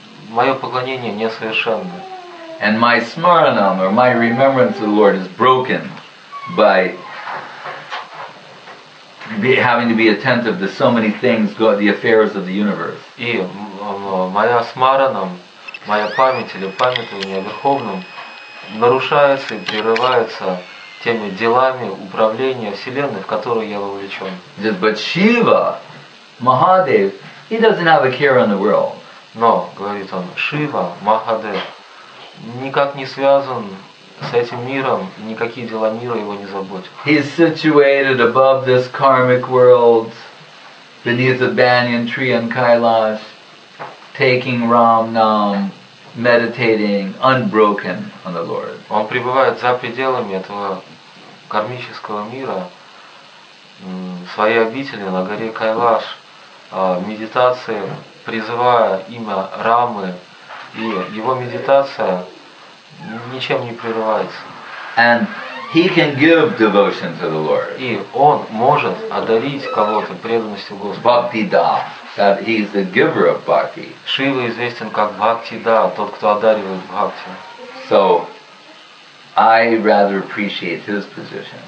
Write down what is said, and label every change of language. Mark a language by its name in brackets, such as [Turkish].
[Russian] Моё поклонение несовершенно. [English] And my smaranam, or my remembrance of the Lord, is broken by having to be attentive to so many things, the affairs of the universe. [Russian] И моя смаранам, моя память или памятование о Верховном нарушается и прерывается теми делами управления Вселенной, в которую я вовлечен. [English] But Shiva, Mahadev, he doesn't have a care in the world. [Russian] Но, говорит он, Шива, Махадев, никак не связан с этим миром, и никакие дела мира его не заботят. [English] He is situated above this karmic world, beneath the banyan tree in Kailash, taking Ram Nam, meditating unbroken on the Lord. [Russian] Он пребывает за пределами этого кармического мира, в своей обители на горе Кайлаш, медитация, призывая имя Рамы, и его медитация ничем не прерывается. [English] And he can give devotion to the Lord. [Russian] И он может одарить кого-то преданностью Господу. [English] Bhakti Da, that he's the giver of bhakti. [Russian] Шива известен как Бхакти Да, тот, кто одаривает бхакти. [English] So I rather appreciate his position.